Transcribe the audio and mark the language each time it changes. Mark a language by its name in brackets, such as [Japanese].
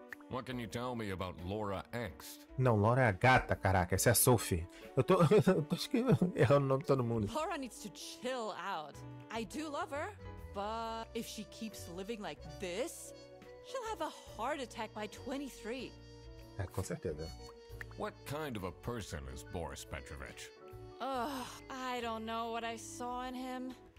[English] What can you tell me about Laura Angst? [Portuguese] Não, Laura é a gata, caraca. Essa é a Sophie. Eu tô errando o nome de todo mundo. [English] Laura needs to chill out. I do love her. But if she keeps living like this, she'll have a heart attack by 23. [Portuguese] É, com certeza. [English] What kind of a person is Boris Petrovich? Ugh, I don't know what I saw in him.